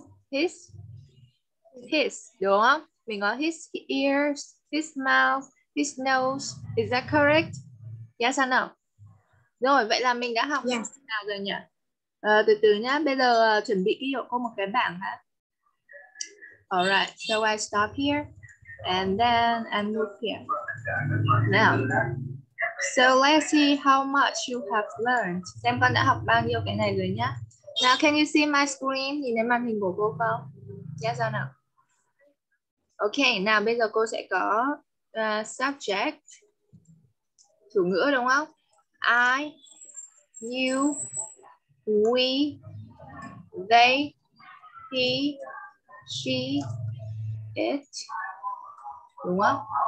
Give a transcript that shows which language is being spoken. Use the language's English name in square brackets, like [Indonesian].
[English] His. His, [Vietnamese] đúng không? Mình có [English] his ears, his mouth, his nose. Is that correct? Yes or no? [Vietnamese] Rồi, vậy là mình đã học nào rồi nhỉ? Từ từ nhá, bây giờ chuẩn bị ký hiệu cô một cái bảng hả? [English] Alright, so I stop here and then I look here. Now, so let's see how much you have learned. [Vietnamese] Xem con đã học bao nhiêu cái này rồi nhá. [English] Now, can you see my screen? [Vietnamese] Nhìn thấy màn hình của cô không? [English] Yes or no? [Vietnamese] Okay, now bây giờ cô sẽ có subject, chủ ngữ đúng không? [English] I, you, we, they, he, she, it, đúng không?